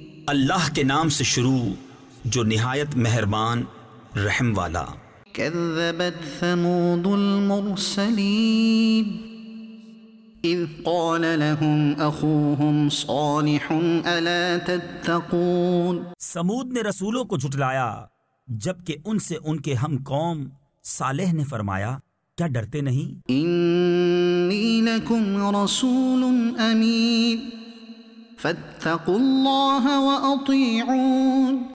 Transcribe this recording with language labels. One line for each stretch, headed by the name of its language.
Urdu: اللہ کے نام سے شروع جو نہایت مہربان رحم والا
Arabic: كذبت ثمود المرسلين إذ قال لهم أخوهم صالح ألا تتقون
Urdu: ثمود نے رسولوں کو جھٹلایا جبکہ ان سے ان کے ہم قوم صالح نے فرمایا کیا ڈرتے نہیں
Arabic: انی لکم رسول امین فاتقوا اللہ واطیعون